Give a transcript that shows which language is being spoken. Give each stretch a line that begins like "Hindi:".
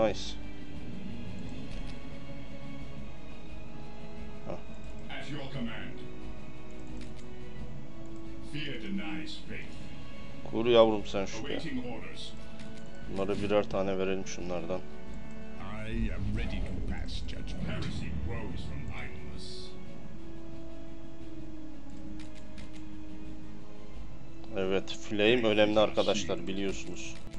English: As your command. Fear denies faith.
Turkish: Kur yavrum sen şu be. Bunlara birer tane verelim şunlardan.
English: I am ready to pass judgment. Heresy grows from idleness.
Turkish: Evet, flame önemli arkadaşlar, biliyorsunuz.